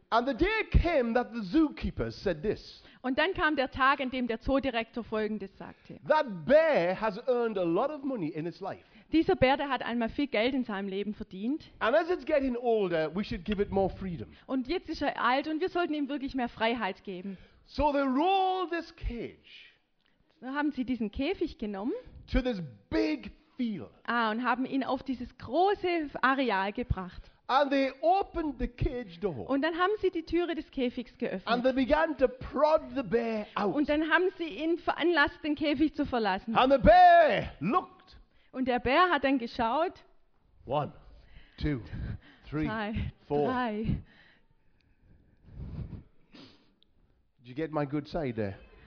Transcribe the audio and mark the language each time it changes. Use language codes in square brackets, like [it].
[en] And the day came that the zookeeper said this. [de] Und dann kam der Tag, an dem der Zoodirektor Folgendes sagte. [en] That bear has earned a lot of money in its life. [de] Dieser Bär, der hat einmal viel Geld in seinem Leben verdient. [en] And as it's getting older, we should give it more freedom. [de] Und jetzt ist er alt und wir sollten ihm wirklich mehr Freiheit geben. [en] So they roll this cage. [de] So haben sie diesen Käfig genommen. [en] To this big field. [de] Ah, und haben ihn auf dieses große Areal gebracht. [en] And they opened the cage door. [de] Und dann haben sie die Türe des Käfigs geöffnet. [en] And they began to prod the bear out. [de] Und dann haben sie ihn veranlasst, den Käfig zu verlassen. [en] And the bear looked. [de] Und der Bär hat dann geschaut. [en] 1, 2, 3, 4. Did you get my good side there?